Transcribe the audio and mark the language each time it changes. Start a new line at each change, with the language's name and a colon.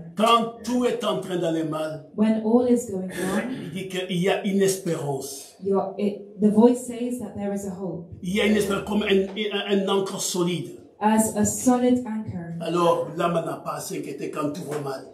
French: Quand tout est en train d'aller mal,
English: when all is going wrong,
French: il dit qu'il y a une espérance.
English: The voice says that there is a hope.
French: Il y a une espérance comme un ancre solide.
English: As a solid anchor.
French: Alors l'âme n'a pas à s'inquiéter quand tout va mal.